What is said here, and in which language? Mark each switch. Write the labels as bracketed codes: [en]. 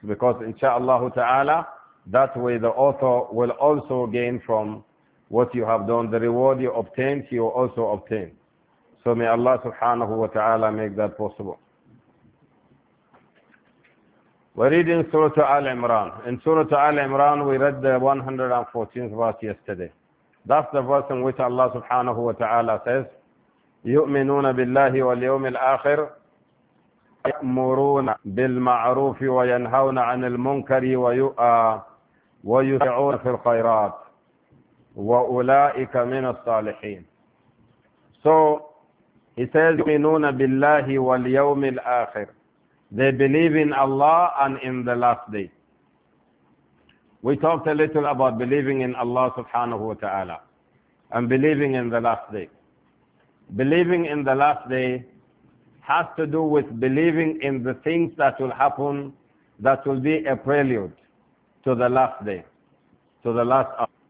[en] Because inshallah ta'ala, that way the author will also gain from what you have done. The reward you obtained, you also obtain. So may Allah subhanahu wa ta'ala make that possible. We're reading Surah Al-Imran. In Surah Al-Imran, we read the 114th verse yesterday. That's the verse in which Allah subhanahu wa ta'ala says, [ar] يُؤْمِنُونَ بِاللَّهِ وَالْيَوْمِ الْآخِرِ يَأْمُرُونَ بِالْمَعْرُوفِ وَيَنْهَوْنَ عَنِ الْمُنْكَرِ وَيُسَارِعُونَ فِي الْخَيْرَاتِ وَأُولَٰئِكَ مِنَ الصَّالِحِينَ. [en] So, he says, [ar] يُؤْمِنُونَ بِاللَّهِ وَالْيَوْمِ الْآخِرِ. [en] They believe in Allah and in the last day. We talked a little about believing in Allah subhanahu wa ta'ala and believing in the last day. Believing in the last day has to do with believing in the things that will happen that will be a prelude to the last day, to the last hour.